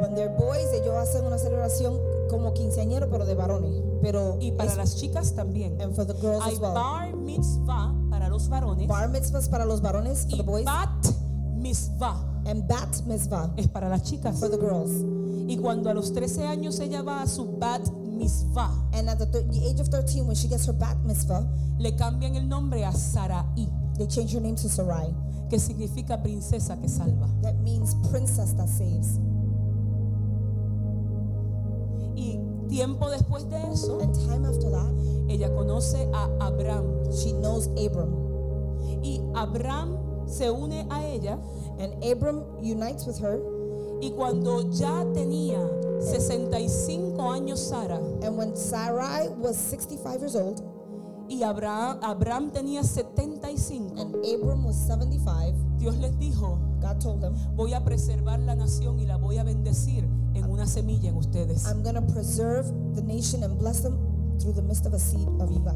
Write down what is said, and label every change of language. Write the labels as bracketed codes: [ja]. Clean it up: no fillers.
[en] When they're boys, [es] ellos hacen una celebración como quinceañero, pero de varones. Pero y para es, las chicas también. [en] And for the girls [es] hay [en] as well. [es] Bar mitzvah para los varones. Bar mitzvahs para los varones. Y [en] the boys. Bat mitzvah. And bat mitzvah [es] es para las chicas. [en] For the girls. [es] Y cuando a los 13 años ella va a su bat mitzvah. [en] And at the age of 13, when she gets her bat mitzvah, [es] le cambian el nombre a Sarai. [en] They change her name to Sarai. [es] Que significa princesa que salva. [en] That means princess that saves. [es] Y tiempo después de eso, [en] and time after that, [es] ella conoce a Abraham. [en] She knows Abram. [es] Y Abraham se une a ella. [en] And Abram unites with her. [es] Y cuando ya tenía 65 años Sara, [en] and when Sarai was 65 years old, [es] y Abraham tenía 75, [en] and Abram was 75, [es] Dios les dijo, [en] God told them, [es] voy a preservar la nación y la voy a bendecir en una semilla en ustedes. [en] I'm going to preserve the nation and bless them through the midst of a seed of you guys.